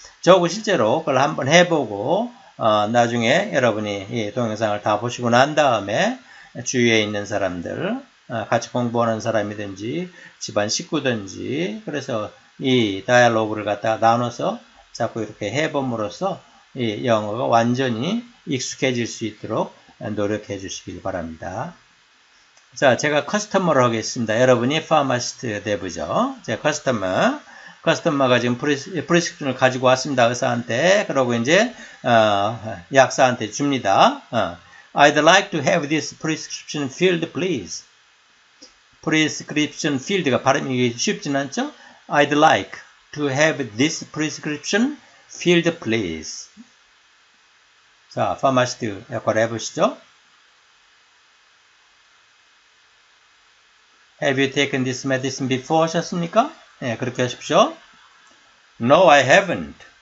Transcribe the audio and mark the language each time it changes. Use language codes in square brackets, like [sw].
[ko] 저거 실제로 그걸 한번 해보고 나중에 여러분이 이 동영상을 다 보시고 난 다음에 주위에 있는 사람들 같이 공부하는 사람이든지 집안 식구든지 그래서 이 다이얼로그를 갖다가 나눠서 자꾸 이렇게 해봄으로써 이 영어가 완전히 익숙해질 수 있도록 노력해 주시길 바랍니다. 자, 제가 커스터머를 하겠습니다. 여러분이 파마시스트 대부죠. 제 커스터머가 지금 프리스크립션을 가지고 왔습니다. 의사한테. 그러고 이제 약사한테 줍니다. [en] I'd like to have this prescription filled, please. Prescription filled가 [ko] 발음이 쉽진 않죠? [en] I'd like to have this prescription filled, please. [ko] 자, 파마시스트 역할을 해보시죠. [en] Have you taken this medicine before [ko] 하셨습니까? 네, 그렇게 하십시오. [en] No, I haven't.